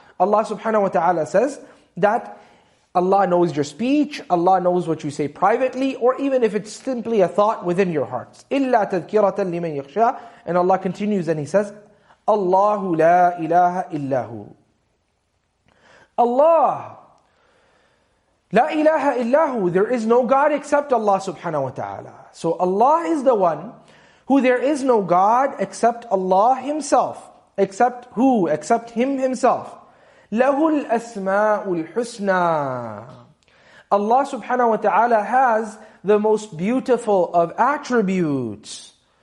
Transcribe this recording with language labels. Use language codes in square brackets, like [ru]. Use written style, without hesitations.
[en] Allah subhanahu wa ta'ala says that Allah knows your speech, Allah knows what you say privately, or even if it's simply a thought within your hearts. [ar] إِلَّا تَذْكِرَةً لِمَنْ يَخْشَى. [en] And Allah continues and He says, [ar] اللَّهُ لَا إِلَهَ إِلَّهُ. Allah, لَا إِلَهَ إِلَّهُ. [en] There is no God except Allah subhanahu wa ta'ala. So Allah is the one who there is no God except Allah Himself. Except who? Except Him Himself. [ar] لَهُ الْأَسْمَاءُ الْحُسْنَى. [en] Allah subhanahu wa ta'ala has the most beautiful of attributes.